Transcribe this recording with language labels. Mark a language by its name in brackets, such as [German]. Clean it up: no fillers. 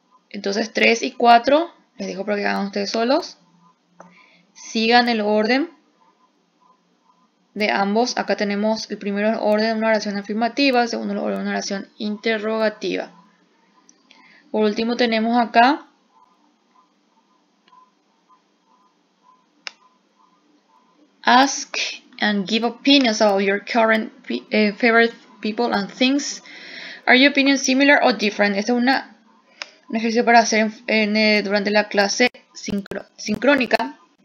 [Spanish] Entonces 3 y 4, les dejo para que hagan ustedes solos. Sigan el orden de ambos. Acá tenemos el primero orden, una oración afirmativa, el segundo orden, una oración interrogativa. Por último tenemos acá [English] ask and give opinions about your current favorite people and things. Are your opinions similar or different? [Spanish] Esta es un ejercicio para hacer durante la clase sincrónica.